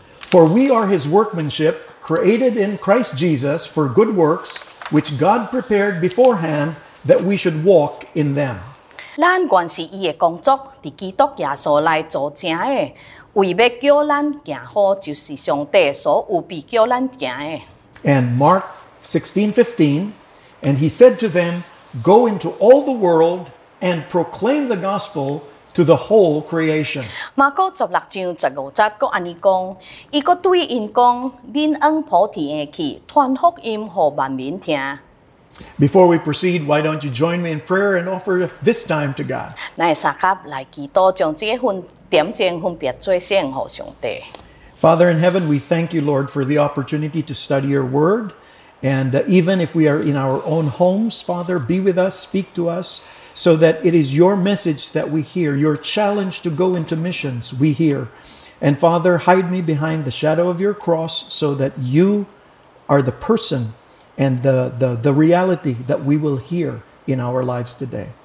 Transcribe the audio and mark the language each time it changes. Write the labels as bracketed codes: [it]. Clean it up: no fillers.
[en] For we are his workmanship, created in Christ Jesus for good works, which God prepared beforehand that we should walk in them. [nan] 咱原是伊的工作，伫基督耶稣内做成的。为要叫咱行好，就是上帝所预备叫咱行的。 [en] And Mark 16:15, and he said to them, "Go into all the world and proclaim the gospel to the whole creation." [nan] 马可十六章十五节，佮安尼讲，伊佮对因讲，恁往普天去，传福音予万民听。 [en] Before we proceed, why don't you join me in prayer and offer this time to God? [nan] 来三甲来祈祷，将这份点睛分别做圣给上帝。 [en] Father in heaven, we thank you, Lord, for the opportunity to study your word. And even if we are in our own homes, Father, be with us, speak to us, so that it is your message that we hear, your challenge to go into missions we hear. And Father, hide me behind the shadow of your cross so that you are the person and the reality that we will hear in our lives today.